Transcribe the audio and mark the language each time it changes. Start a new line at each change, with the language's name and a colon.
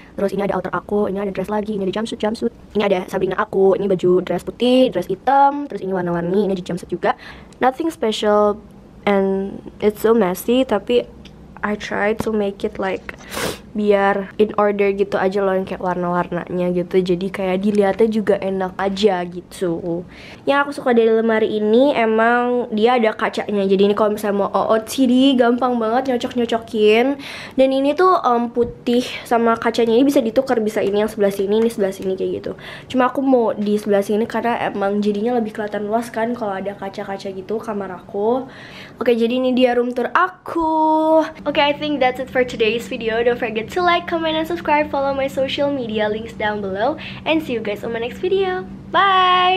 Indonesian: Terus ini ada outer aku, ini ada dress lagi, ini ada jumpsuit. Ini ada Sabrina aku, ini baju dress putih, dress hitam, terus ini warna-warni, ini ada jumpsuit juga.
English: Nothing special and it's so messy, tapi I tried to make it like
Indonesian: biar in order gitu aja loh, yang kayak warna-warnanya gitu, jadi kayak dilihatnya juga enak aja gitu. Yang aku suka dari lemari ini emang dia ada kacanya, jadi ini kalau misalnya mau OOTD gampang banget nyocok-nyocokin. Dan ini tuh putih sama kacanya ini bisa ditukar, bisa ini yang sebelah sini, ini sebelah sini kayak gitu. Cuma aku mau di sebelah sini karena emang jadinya lebih kelihatan luas kan kalau ada kaca-kaca gitu kamar aku. Oke, jadi ini dia room tour aku.
English: Oke, I think that's it for today's video. Don't forget to like, comment, and subscribe. Follow my social media links down below. And see you guys on my next video. Bye!